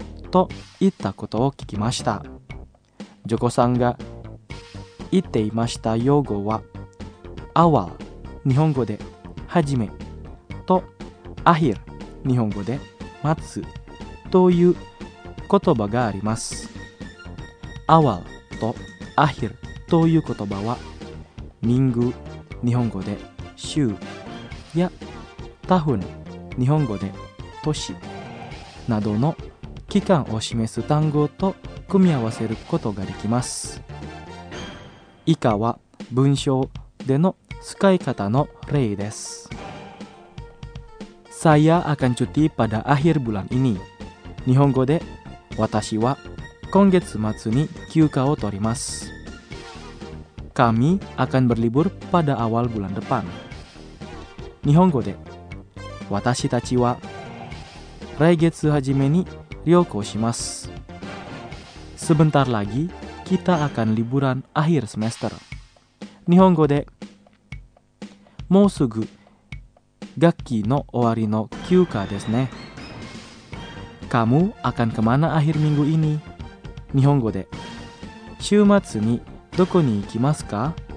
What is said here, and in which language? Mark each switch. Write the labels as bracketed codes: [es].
[ja] To itta koto o kikimashita. Joko san ga itte imashita yogo wa awal nihongo de hajime to akhir nihongo de matsu という言葉があります。 awal と akhir という言葉は、minggu 日本語で週や tahun 日本語で年などの期間を示す単語と組み合わせることができます。以下は文章での使い方の例です。 [id] Saya akan cuti pada akhir bulan ini. [ja] 日本語で私は今月末に休暇を取ります。 [id] Kami akan berlibur pada awal bulan depan. [ja] 日本語で私たちは来月初めに旅行します。 [id] Sebentar lagi kita akan liburan akhir semester. [ja] 日本語でもうすぐ学期の終わりの休暇ですね。 [id] Kamu akan kemana akhir minggu ini? [ja] Nihongo de. Shumatsu ni doko ni ikimasu ka?